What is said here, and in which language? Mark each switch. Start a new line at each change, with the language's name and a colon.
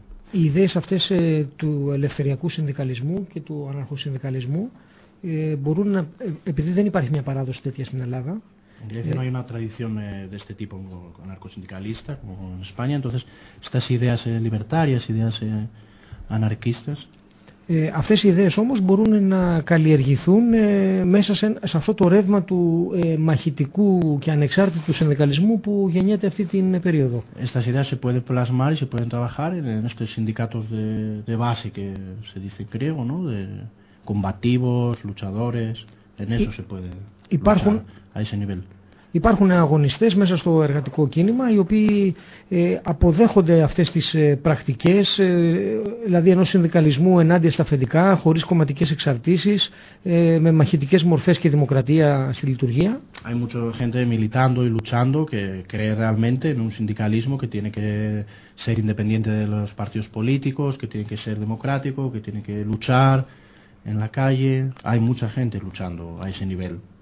Greek: Οι ιδέες αυτές του ελευθεριακού συνδικαλισμού και του αναρχοσυνδικαλισμού μπορούν να, επειδή δεν υπάρχει μια παράδοση τέτοια στην Ελλάδα.
Spanish: En Grecia no hay una tradición de este tipo anarcosindicalista como en España, entonces estas ideas libertarias, ideas anarquistas.
Greek: Αυτές οι ιδέες όμως μπορούν να καλλιεργηθούν μέσα σε αυτό το ρεύμα του μαχητικού και ανεξάρτητου συνδικαλισμού που γεννιέται αυτή την περίοδο.
Spanish: Estas ideas se pueden plasmar y se pueden trabajar en estos sindicatos de base que se dice en griego, ¿no? De combativos, luchadores, en eso se puede.
Greek: Υπάρχουν,
Spanish: a ese nivel.
Greek: Υπάρχουν αγωνιστές μέσα στο εργατικό κίνημα οι οποίοι αποδέχονται αυτές τις πρακτικές, δηλαδή ενός συνδικαλισμού ενάντια στα αφεντικά, χωρίς κομματικές εξαρτήσεις, με μαχητικές μορφές και δημοκρατία στη λειτουργία.
Spanish: Hay mucha gente militando y luchando que cree realmente en un sindicalismo que tiene que ser independiente de los partidos políticos, que tiene que ser democrático, que tiene que luchar en la calle. Hay mucha gente luchando a ese nivel.